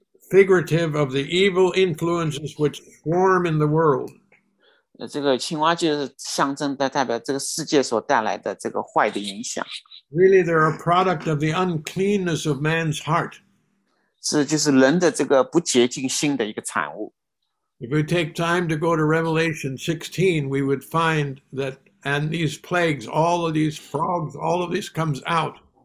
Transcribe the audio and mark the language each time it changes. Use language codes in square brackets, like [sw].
[en] figurative of the evil influences which swarm in the world. [zh] 这个青蛙就是象征代表这个世界所带来的这个坏的影响。 [en] Really, they're a product of the uncleanness of man's heart. [zh] 是就是人的这个不洁净心的一个产物。 [en] If we take time to go to Revelation 16, we would find that and these plagues, all of these frogs, all of this comes out.